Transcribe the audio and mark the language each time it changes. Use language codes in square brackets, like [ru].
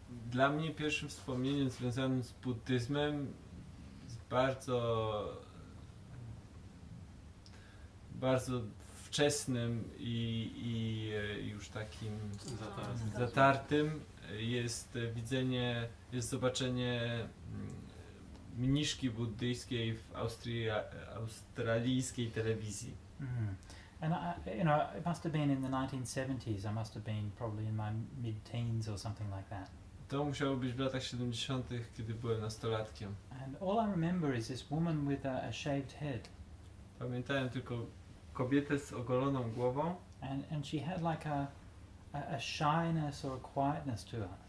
[pl] Dla mnie pierwszym wspomnieniem związanym z buddyzmem, bardzo, bardzo wczesnym i już takim zatartym jest zobaczenie mniszki buddyjskiej w australijskiej telewizji. [en] And it must have been in the 1970s. I must have been probably in my mid-teens or something like that. [pl] To musiało być w latach 70., kiedy byłem nastolatkiem. [en] And all I remember is this woman with a shaved head. [pl] Pamiętałem tylko kobietę z ogoloną głową. [en] And she had like a shyness or a quietness to her.